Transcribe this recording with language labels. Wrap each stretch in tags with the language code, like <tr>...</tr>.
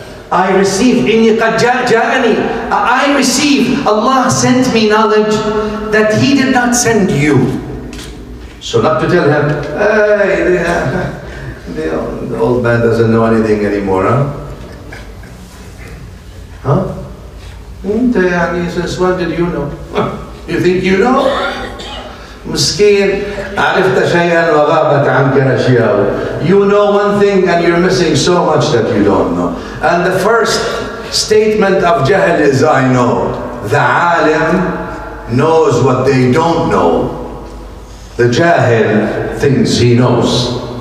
<en>I receive,</en> <ar>إِنِّي قَدْ جَاءَنِي</ar> <en>I receive, Allah sent me knowledge that He did not send you. So not to tell him, hey, the old man doesn't know anything anymore, huh?</en> <ar>انت يعني سؤال</ar> <en>did you know? You think you know?</en> <ar>مسكين عرفت شيئا وغابت عنك أشياء.</ar> <en>You know one thing and you're missing so much that you don't know. And the first statement of جهل is I know. The عالم knows what they don't know. The جاهل thinks he knows.</en>